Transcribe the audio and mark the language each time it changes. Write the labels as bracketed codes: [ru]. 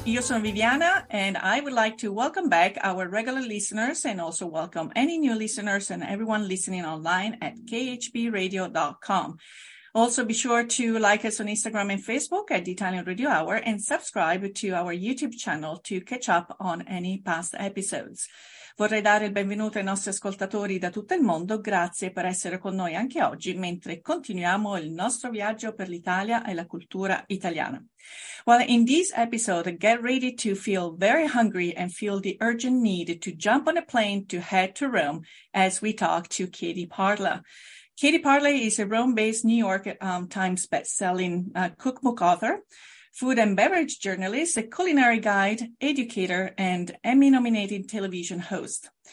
[it] Io sono Viviana [en] and I would like to welcome back our regular listeners and also welcome any new listeners and everyone listening online at khbradio.com. Also, be sure to like us on Instagram and Facebook at the Italian Radio Hour and subscribe to our YouTube channel to catch up on any past episodes. [it] Vorrei dare il benvenuto ai nostri ascoltatori da tutto il mondo. Grazie per essere con noi anche oggi, mentre continuiamo il nostro viaggio per l'Italia e la cultura italiana. [en] Well, in this episode, get ready to feel very hungry and feel the urgent need to jump on a plane to head to Rome as we talk to Katie Parla. Katie Parla is a Rome-based New York Times best-selling cookbook author, food and beverage journalist, a culinary guide, educator, and Emmy-nominated television host.